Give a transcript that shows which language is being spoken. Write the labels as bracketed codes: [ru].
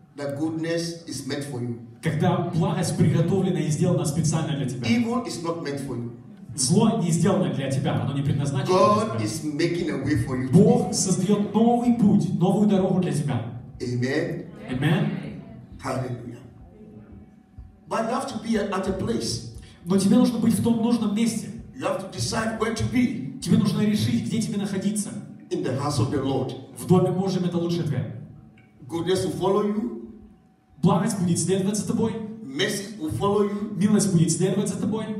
[en] That goodness is meant for you. [ru] Когда благость приготовлена и сделана специально для тебя. [en] Evil is not meant for you. [ru] Зло не сделано для тебя, оно не предназначено [en] God [ru] для тебя. [en] Is making a way for you. [ru] Бог создает новый путь, новую дорогу для тебя. [en] Amen. Amen. Hallelujah. But you have to be at a place. [ru] Но тебе нужно быть в том нужном месте. [en] You have to decide where to be. [ru] Тебе нужно решить, где тебе находиться. [en] In the house of the Lord. [ru] В доме Божьем это лучше тебе. [en] Goodness will follow you. [ru] Благость будет следовать за тобой. [en] Message will follow you. [ru] Милость будет следовать за тобой.